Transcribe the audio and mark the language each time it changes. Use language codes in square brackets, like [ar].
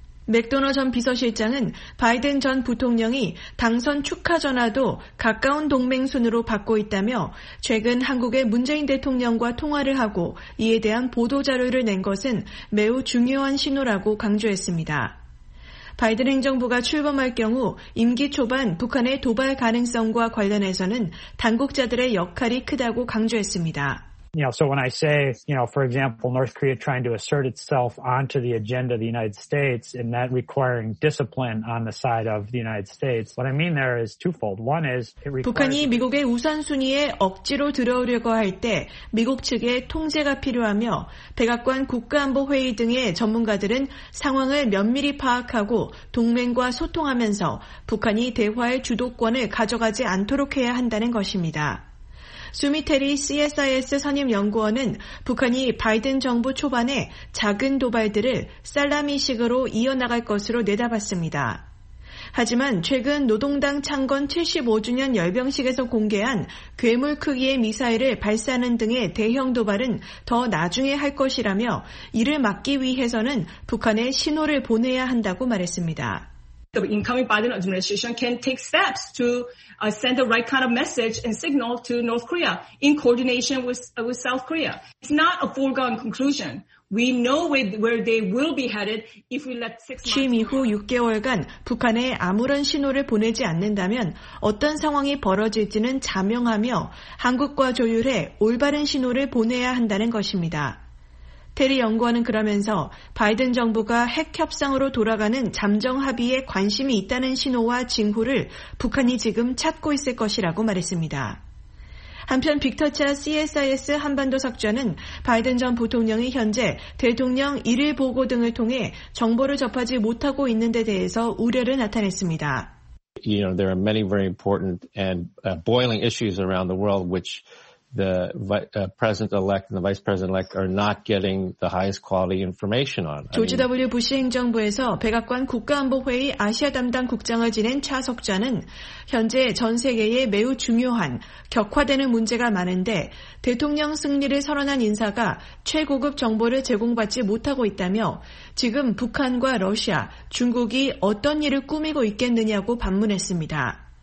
[ko] 맥도너 전 비서실장은 바이든 전 부통령이 당선 축하 전화도 가까운 동맹 순으로 받고 있다며 최근 한국의 문재인 대통령과 통화를 하고 이에 대한 보도자료를 낸 것은 매우 중요한 신호라고 강조했습니다. 바이든 행정부가 출범할 경우 임기 초반 북한의 도발 가능성과 관련해서는 당국자들의 역할이 크다고 강조했습니다. [en] You know, so when I say, you know, for example, North Korea trying to assert itself onto the agenda of the United States and that requiring discipline on the side of the United States, what I mean there is twofold. One is it requires [ko] 북한이 미국의 우선순위에 억지로 들어오려고 할 때 미국 측의 통제가 필요하며 백악관 국가안보회의 등의 전문가들은 상황을 면밀히 파악하고 동맹과 소통하면서 북한이 대화의 주도권을 가져가지 않도록 해야 한다는 것입니다. 수미테리 CSIS 선임 연구원은 북한이 바이든 정부 초반에 작은 도발들을 살라미식으로 이어나갈 것으로 내다봤습니다. 하지만 최근 노동당 창건 75주년 열병식에서 공개한 괴물 크기의 미사일을 발사하는 등의 대형 도발은 더 나중에 할 것이라며 이를 막기 위해서는 북한에 신호를 보내야 한다고 말했습니다. [en] The incoming Biden administration can take steps to send the right kind of message and signal to North Korea in coordination with South Korea. It's not a foregone conclusion. We know where they will be headed if we let 6 months. [ko] 취임 이후 6개월간 북한에 아무런 신호를 보내지 않는다면 어떤 상황이 벌어질지는 자명하며 한국과 조율해 올바른 신호를 보내야 한다는 것입니다. 테리 연구원은 그러면서 바이든 정부가 핵 협상으로 돌아가는 잠정 합의에 관심이 있다는 신호와 징후를 북한이 지금 찾고 있을 것이라고 말했습니다. 한편 빅터차 CSIS 한반도 석좌는 바이든 전 부통령이 현재 대통령 일일 보고 등을 통해 정보를 접하지 못하고 있는 데 대해서 우려를 나타냈습니다. [en] You know, there are many very important and boiling issues around the world which the president-elect and the vice president-elect are not getting the highest quality information on. [ko] 조지 W. 부시 행정부에서 백악관 국가안보회의 아시아 담당 국장을 지낸 차석자는 현재 전 세계에 매우 중요한 격화되는 문제가 많은데 대통령 승리를 선언한 인사가 최고급 정보를 제공받지 못하고 있다며 지금 북한과 러시아, 중국이 어떤 일을 꾸미고 있겠느냐고 반문했습니다.